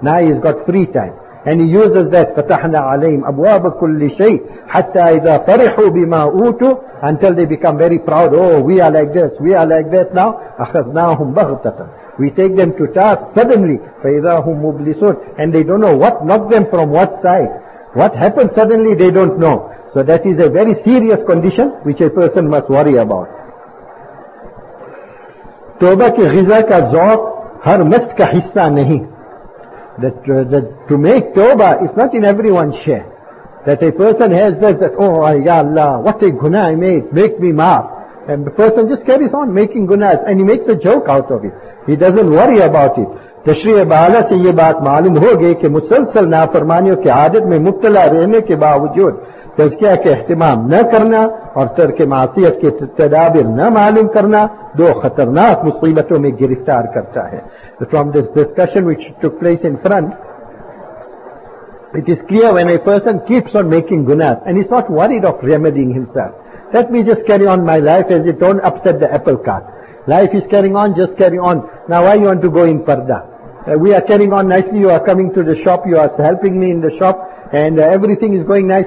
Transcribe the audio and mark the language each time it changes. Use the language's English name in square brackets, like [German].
[English] Now he's got free time. And he uses that, [Arabic] فَتَحْنَا عَلَيْهِمْ أَبْوَابَ كُلِّ شَيْءٍ حَتَّى إِذَا فَرِحُوا بِمَا أُوتُوا, [English] until they become very proud, oh, we are like this, we are like that now, [Arabic] أَخَذْنَاهُمْ بَغْتَةً. [English] We take them to task suddenly, [Arabic] فَإِذَا هُمْ مُبْلِسُونَ, [English] and they don't know what knocked them from what side. What happened suddenly, they don't know. So that is a very serious condition which a person must worry about. [Urdu] توبہ کی غزہ کا ذوق ہر مست کا حصہ نہیں. [English] That to make tawbah, it's not in everyone's share. That a person has this, that, oh, ya Allah, what a guna I made, make me maaf. And the person just carries on making gunas, and he makes a joke out of it. He doesn't worry about it. [Urdu] تشریع بالا سے یہ بات معلوم ہو گئے کہ مسلسل نافرمانیوں کے عادت میں مبتلا رہنے کے باوجود تزکیہ کے اہتمام نہ کرنا اور ترک معصیت کے تدابیر نہ معلوم کرنا دو خطرناک مصیبتوں میں گرفتار کرتا ہے. [English] From this discussion which took place in front, it is clear when a person keeps on making gunas and he's not worried of remedying himself. Let me just carry on my life as it don't upset the apple cart. Life is carrying on, just carry on. Now why you want to go in parda? We are carrying on nicely, you are coming to the shop, you are helping me in the shop, and everything is going nice.